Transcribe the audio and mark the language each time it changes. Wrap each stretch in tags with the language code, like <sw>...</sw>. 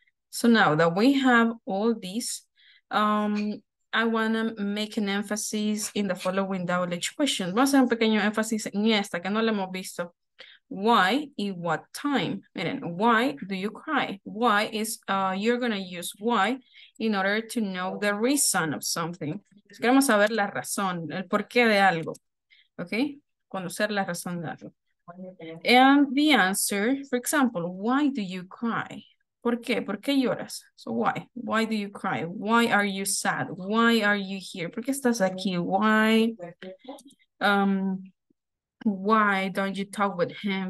<en>So now that we have all these, I want to make an emphasis in the following WH question.</en> <es>Vamos a hacer un pequeño énfasis en esta que no la hemos visto.</es> <en>Why y what time? Miren, why do you cry? Why is, you're going to use why in order to know the reason of something.</en> <es>Entonces queremos saber la razón, el porqué de algo. Okay? Conocer la razón de algo.</es> <en>And the answer, for example, why do you cry?</en> <es>¿Por qué? ¿Por qué lloras?</es> <en>So why? Why do you cry? Why are you sad? Why are you here?</en> <es>¿Por qué estás aquí?</es> <en>Why? Why don't you talk with him?</en>